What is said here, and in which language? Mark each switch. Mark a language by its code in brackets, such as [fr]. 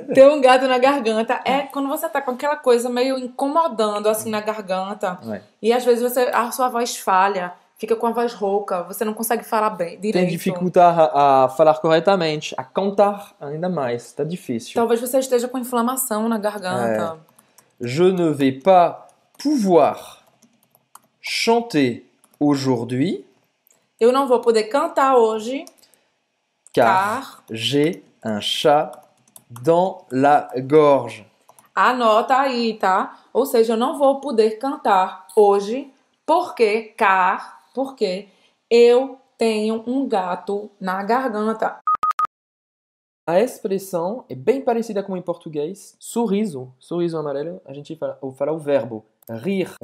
[pt] Ter um gato na garganta é quando você tá com aquela coisa meio incomodando, assim, na garganta. É. E às vezes você, a sua voz falha. Fica com a voz rouca, você não consegue falar bem, direito. Tem dificuldade a falar corretamente, a cantar ainda mais, tá difícil. Talvez você esteja com inflamação na garganta. É. [fr] Je ne vais pas pouvoir chanter aujourd'hui. [pt] Eu não vou poder cantar hoje. [fr] Car j'ai un chat dans la gorge. [pt] Anota aí, tá? Ou seja, eu não vou poder cantar hoje porque car... Porque eu tenho um gato na garganta. A expressão é bem parecida com em português. Sorriso. Sorriso amarelo. A gente fala o verbo. Rir.